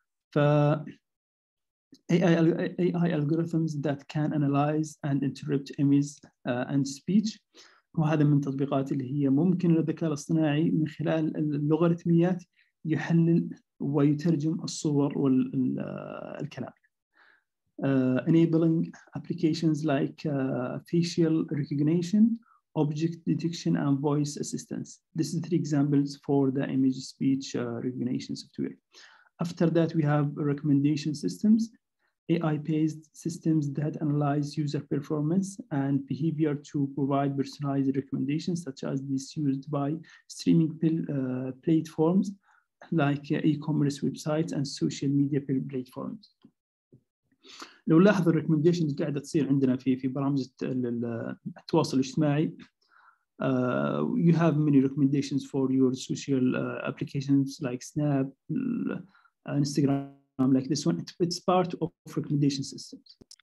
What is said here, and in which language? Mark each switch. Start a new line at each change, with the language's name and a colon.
English: ف AI algorithms that can analyze and interpret images and speech.
Arabic: وهذا من تطبيقات اللي هي ممكن الذكاء الاصطناعي من خلال اللوغاريتميات يحلل ويترجم الصور والكلام.
English: Enabling applications like facial recognition, object detection, and voice assistance. This is three examples for the image speech recognition software. After that, we have recommendation systems. AI-based systems that analyze user performance and behavior to provide personalized recommendations, such as this used by streaming platforms like e-commerce websites and social media platforms.
Arabic: لو لاحظ الـ recommendations قاعدة تصير عندنا في برامج التواصل الاجتماعي.
English: You have many recommendations for your social applications like Snap, Instagram. Like this one, it's part of recommendation systems.